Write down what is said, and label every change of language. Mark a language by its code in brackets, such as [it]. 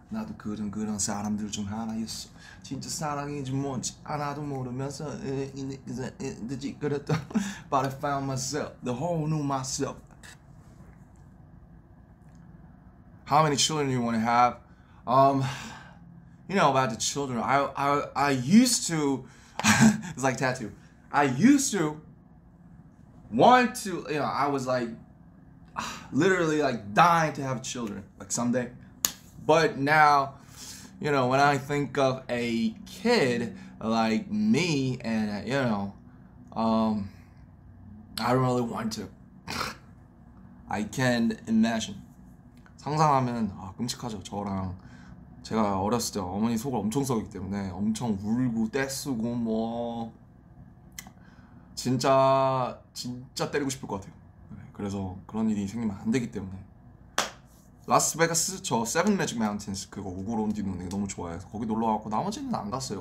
[ko] 나도 그런 그런 사람들 중 하나였어. 진짜 사랑인지 뭔지 하나도 모르면서 이제 그랬던. [en] But I found myself, the whole new myself. How many children do you want to have? You know about the children. I used to. It's like tattoo. I used to want to. You know, I was like. Literally like dying to have children like someday, but now, you know, when I think of a kid like me and you know, I don't really want to. I can imagine. [ko] 상상하면 아 끔찍하죠. 저랑 제가 어렸을 때 어머니 속을 엄청 썩이기 때문에 엄청 울고 떼쓰고 뭐 진짜 진짜 때리고 싶을 것 같아요. 그래서 그런 일이 생기면 안 되기 때문에 라스베가스 저 세븐 매직 마운틴스 그거 우고론디 눈이 너무 좋아해서 거기 놀러 갔고 나머지는 안 갔어요.